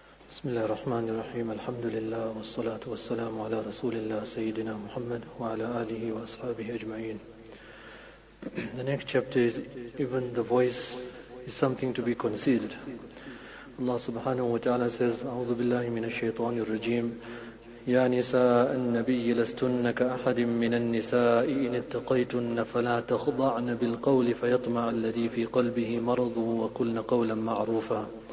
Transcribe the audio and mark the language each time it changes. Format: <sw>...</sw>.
<ar>بسم الله الرحمن الرحيم الحمد لله والصلاة والسلام على رسول الله سيدنا محمد وعلى آله وأصحابه أجمعين.</ar> <en>The next chapter is even the voice is something to be concealed. Allah subhanahu wa ta'ala says,</en> <ar>أعوذ بالله من الشيطان الرجيم. يا نساء النبي لستن كأحد من النساء إن اتقيتن فلا تخضعن بالقول فيطمع الذي في قلبه مرض وقلن قولا معروفا.</ar>